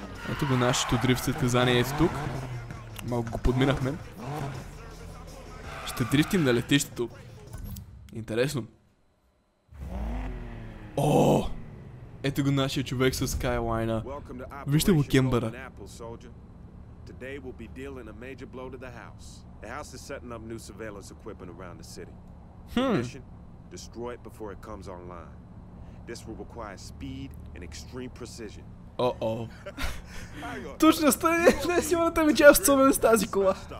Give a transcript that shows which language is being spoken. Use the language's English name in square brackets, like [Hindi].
[Bulgarian] Ето го нашето дрифт състезание е тук. Малко го подминахме. Ще дрифтим на летището. Интересно. Оо! Ето го нашия човек със Skyline-а. Вижте му кембъра. [English] Today will be dealing a major blow to the house. The house is setting up new surveillance equipment around the city. Mission, destroy it before it comes online. This will require speed and extreme precision. Uh-oh. [Bulgarian] Точно стане не си мата ми част особено с тази кола.